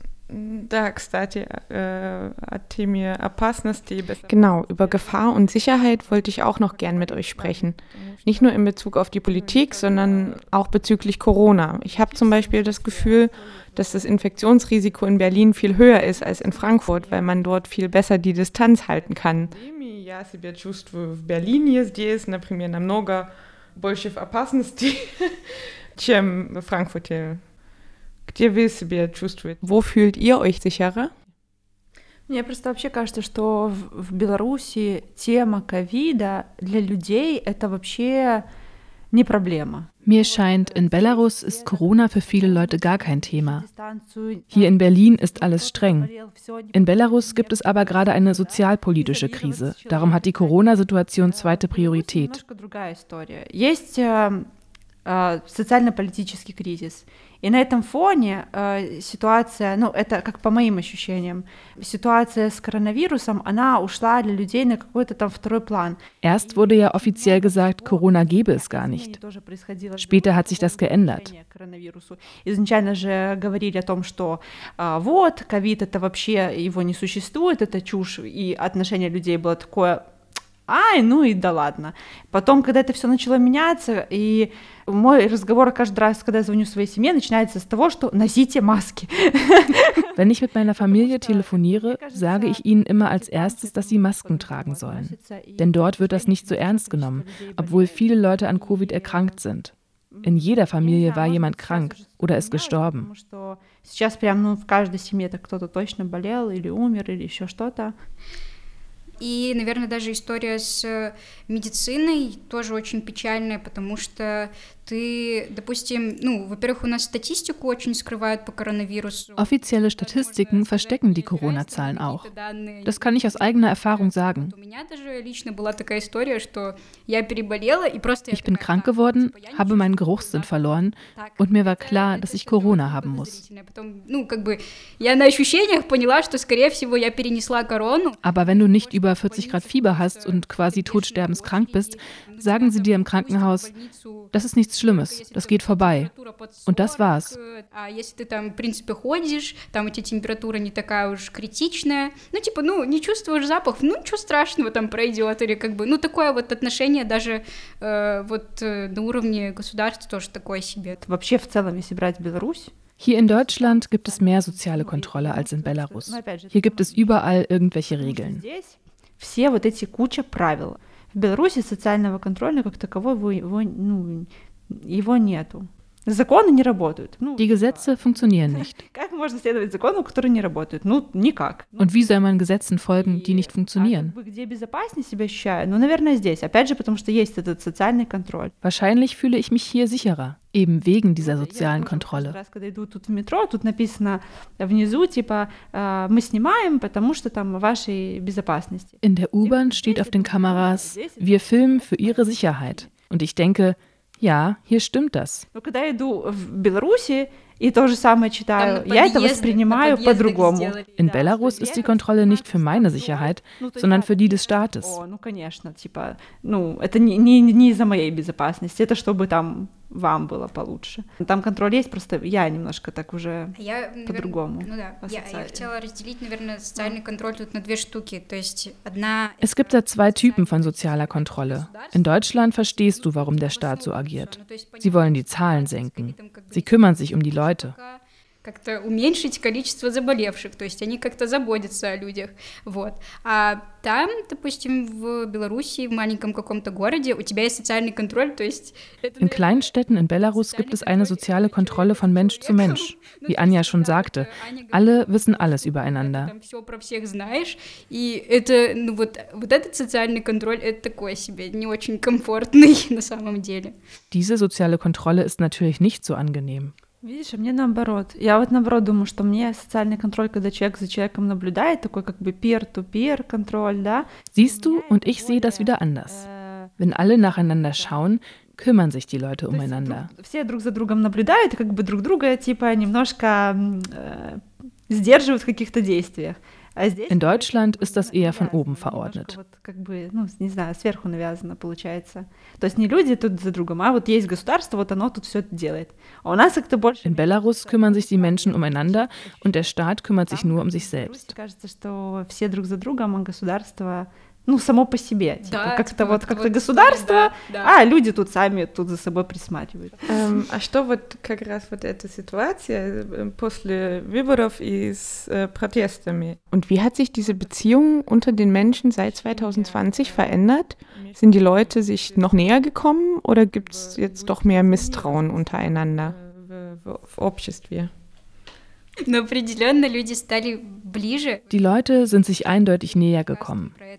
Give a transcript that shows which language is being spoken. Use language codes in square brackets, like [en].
[ru] Да, кстати, о теме опасности. [de] Genau, über Gefahr und Sicherheit wollte ich auch noch gern mit euch sprechen. Nicht nur in Bezug auf die Politik, sondern auch bezüglich Corona. Ich habe zum Beispiel das Gefühl, dass das Infektionsrisiko in Berlin viel höher ist als in Frankfurt, weil man dort viel besser die Distanz halten kann. [ru] Я себя чувствую в Берлине здесь, например, намного больше в опасности, чем в Франкфурте. Где вы себя чувствуете? [de] Wo fühlt ihr euch sicherer? [ru] Мне просто вообще кажется, что в Беларуси тема ковида для людей — это вообще не проблема. [de] Mir scheint, in Belarus ist Corona für viele Leute gar kein Thema. Hier in Berlin ist alles streng. In Belarus gibt es aber gerade eine sozialpolitische Krise. Darum hat die Corona-Situation zweite Priorität. [ru] Есть социально-политический кризис. И на этом фоне ситуация, ну, это как по моим ощущениям, ситуация с коронавирусом, она ушла для людей на какой-то там второй план. [de] Erst wurde ja offiziell gesagt, Corona gebe es gar nicht. Später hat sich das geändert. [ru] Изначально же говорили о том, что вот, ковид, это вообще его не существует, это чушь, и отношение людей было такое... Ай, ну и да ладно. Потом, когда это все начало меняться, и мой разговор каждый раз, когда я звоню своей семье, начинается с того, что носите маски. [de] Wenn ich mit meiner Familie telefoniere, sage ich ihnen immer als erstes, dass sie Masken tragen sollen. Denn dort wird das nicht so ernst genommen, obwohl viele Leute an Covid erkrankt sind. In jeder Familie war jemand krank oder ist gestorben. [ru] Сейчас прям, ну, в каждой семье так кто-то точно болел или умер или еще что-то. И, наверное, даже история с медициной тоже очень печальная, потому что ты, допустим, ну, во-первых, у нас статистику очень скрывают по коронавирусу. [de] Offizielle Statistiken verstecken die Corona-Zahlen auch. Das kann ich aus eigener Erfahrung sagen. [ru] У меня даже лично была такая история, что я переболела и просто... [de] Ich bin krank geworden, habe meinen Geruchssinn verloren und mir war klar, dass ich Corona haben muss. [ru] Ну, как бы, я на ощущениях поняла, что, скорее всего, я перенесла корону. [de] Aber wenn du nicht über 40 Grad Fieber hast und quasi todsterbenskrank bist, sagen sie dir im Krankenhaus, das ist nichts Schlimmes, das geht vorbei. Und das war's. [ru] А если ты там, в принципе, ходишь, там у тебя температура не такая уж критичная, ну, типа, ну, не чувствуешь запах, ну, ничего страшного там пройдет, или как бы, ну, такое вот отношение даже вот на уровне государства тоже такое себе. Вообще, в целом, если брать Беларусь, [de] hier in Deutschland gibt es mehr soziale Kontrolle als in Belarus. Hier gibt es überall irgendwelche Regeln. [ru] Все вот эти куча правил. В Беларуси социального контроля как такового его, ну, его нету. Законы не работают. [de] Die Gesetze funktionieren nicht. [ru] Как можно следовать законам, которые не работают? Ну, никак. [de] Und wie soll man Gesetzen folgen, die nicht funktionieren? [ru] Где безопаснее себя ощущаю? Ну, наверное, здесь. Опять же, потому что есть этот социальный контроль. [de] Wahrscheinlich fühle ich mich hier sicherer, eben wegen dieser sozialen Kontrolle. [ru] Раз, когда иду тут в метро, тут написано внизу, типа, мы снимаем, потому что там вашей безопасности. [de] In der U-Bahn steht auf den Kameras, wir filmen für ihre Sicherheit. Und ich denke... Ja, hier stimmt das. [ru] Но когда я иду в Беларуси и то же самое читаю, там, я это воспринимаю по-другому. [de] In Belarus ist die Kontrolle nicht für meine Sicherheit, sondern für die des Staates. [ru] О, ну конечно, типа, ну это не из-за моей безопасности, это чтобы там вам было получше. Там контроль есть, просто я немножко так уже по-другому. Ну да, я хотела разделить, наверное, социальный контроль тут на две штуки. То есть одна... [de] Es gibt da zwei Typen von sozialer Kontrolle. In Deutschland verstehst du, warum der Staat so agiert. Sie wollen die Zahlen senken. Sie kümmern sich um die Leute. [ru] Как-то уменьшить количество заболевших, то есть они как-то заботятся о людях, вот. А там, допустим, в Беларуси, в маленьком каком-то городе, у тебя есть социальный контроль, то есть... [de] In kleinen Städten in Belarus gibt es eine soziale Kontrolle von Mensch zu Mensch. Wie Anja schon sagte, alle wissen alles übereinander. [ru] Ты там всё про всех знаешь, и это, ну вот, вот этот социальный контроль, это такой себе, не очень комфортный на самом деле. [de] Diese soziale Kontrolle ist natürlich nicht so angenehm. [ru] Видишь, а мне наоборот. Я вот наоборот думаю, что мне социальный контроль, когда человек за человеком наблюдает, такой как бы peer-to-peer контроль, да? [de] Siehst du, und ich sehe das wieder anders. Wenn alle nacheinander schauen, kümmern sich die Leute umeinander. [ru] Все друг за другом наблюдают, как бы друг друга, типа, немножко сдерживают в каких-то действиях. [de] In Deutschland ist das eher von oben verordnet. [ru] Как бы, ну, не знаю, сверху навязано получается. То есть не люди тут за другом, а вот есть государство, вот оно тут всё делает. А у нас как-то больше... [de] In Belarus kümmern sich die Menschen umeinander und der Staat kümmert sich nur um sich selbst. [ru] Мне кажется, что все друг за другом, а государство, ну, само по себе. Типа, да, как-то типа, вот как-то вот государство, да, да. А люди тут сами тут за собой присматривают. А что вот как раз вот эта ситуация после выборов и с протестами? [de] Und wie hat sich diese Beziehung unter den Menschen seit 2020 verändert? Sind die Leute sich noch näher gekommen oder gibt's jetzt doch mehr Misstrauen untereinander? [ru] В обществе. [de] Die Leute sind sich eindeutig näher gekommen.